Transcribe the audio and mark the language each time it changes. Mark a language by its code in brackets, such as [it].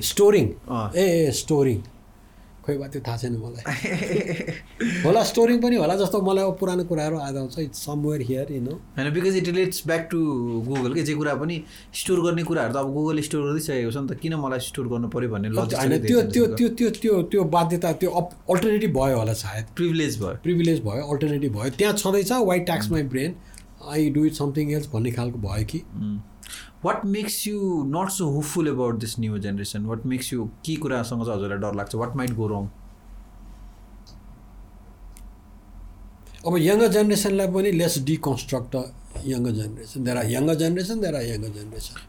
[ne] Storing, storing खोइ भए त्यो थाहा छैन मलाई, होला स्टोरिङ पनि होला जस्तो मलाई. अब पुरानो कुराहरू आज आउँछ, [en] it's somewhere here you know, [ne] होइन, [en] because it relates back to Google [ne] के. जे कुरा पनि स्टोर गर्ने कुराहरू त अब गुगल स्टोर गरिसकेको छ नि त, किन मलाई स्टोर गर्नु पऱ्यो भन्ने लजिक होइन. त्यो त्यो त्यो त्यो त्यो त्यो बाध्यता, त्यो अल्टरनेटिभ भयो होला सायद, प्रिभिलेज भयो, प्रिभिलेज भयो, अल्टरनेटिभ भयो, त्यहाँ छँदैछ, [en] white tax my brain, I do it something else [ne] भन्ने खालको भयो कि. [en] What makes you not so hopeful about this new generation? What makes you [ne] ki kura sanga cha hajurlai dar lagcha, [en] what might go wrong? [ne] Aba [en] younger generation [ne] lai pani [en] let's deconstruct the younger generation. There are younger generation, there are younger generation.